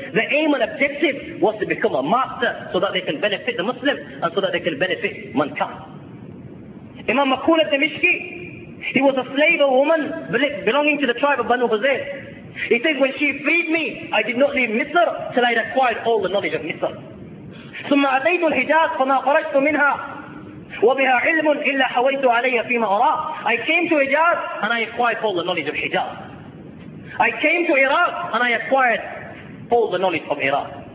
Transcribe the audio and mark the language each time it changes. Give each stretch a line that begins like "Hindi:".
English: The aim and objective was to become a master so that they can benefit the Muslim and so that they can benefit mankind. Imam Makul al-Dimishki, he was a slave, a woman belonging to the tribe of Banu Huzayl. He says, when she freed me, I did not leave Misr till I had acquired all the knowledge of Misr.
Arabic: ثم أتيت الحجاز فما خرجت منها وبها علم إلا حويت عليها فيما أرى.
English: I came to Hijaz and I acquired all the knowledge of Hijaz. I came to Iraq and I acquired all the knowledge of Iraq.